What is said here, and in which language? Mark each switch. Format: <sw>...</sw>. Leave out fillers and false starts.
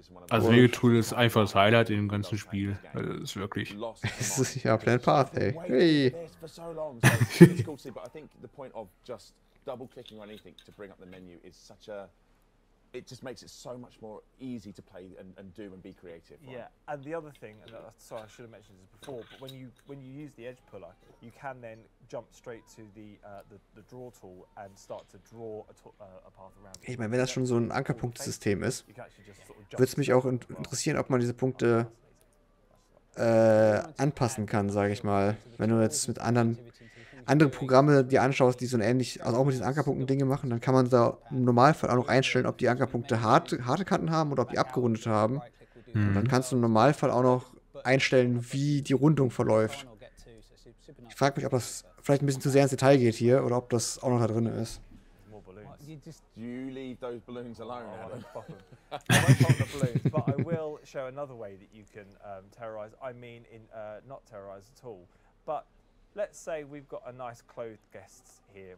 <de>Also Wegetool ist einfach das Highlight in dem ganzen Spiel. Also, das ist wirklich. Ja, Planet Path, ey. Hey.</de> <en>But I think the point of just double clicking on anything to bring up the menu is such a it just makes it so much more easy to play and do and be creative. Right? Yeah, and the other thing, and sorry, I should have mentioned this before, but when you use the edge puller, you can then jump straight to the draw tool and start to draw a path around.</en> <de>Ich meine, wenn das schon so ein Ankerpunktesystem ist, würde es mich auch interessieren, ob man diese Punkte anpassen kann, sage ich mal, wenn du jetzt mit anderen Programme, die anschaust, die so ein ähnlich, also auch mit diesen Ankerpunkten Dinge machen, dann kann man da im Normalfall auch noch einstellen, ob die Ankerpunkte harte Kanten haben oder ob die abgerundet haben. Mhm. Und dann kannst du im Normalfall auch noch einstellen, wie die Rundung verläuft. Ich frage mich, ob das vielleicht ein bisschen zu sehr ins Detail geht hier oder ob das auch noch da drin ist.</de> <en>You just you leave those balloons alone. I won't pop them. I won't pop the balloons, but I will show another way that you can terrorize. I mean, in not terrorize at all. But let's say we've got a nice clothed guests here.</en>